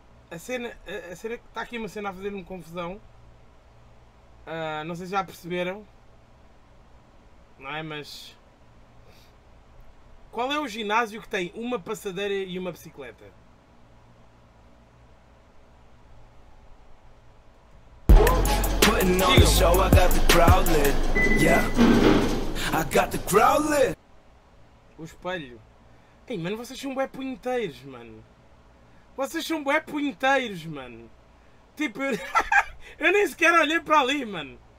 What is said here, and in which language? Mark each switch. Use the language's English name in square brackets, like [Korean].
[Portuguese] A cena que está aqui uma cena a fazer-me confusão. Não sei se já perceberam. Não é? Mas. Qual é o ginásio que tem uma passadeira e uma bicicleta? [English] Putting on the show, I got the crowd lit. Yeah. I got the crowd lit. O espelho. [Portuguese] Ei, mano, vocês são bué punheteiros, mano. Vocês são bué punheteiros, mano. Tipo, eu nem sequer olhei para ali, mano.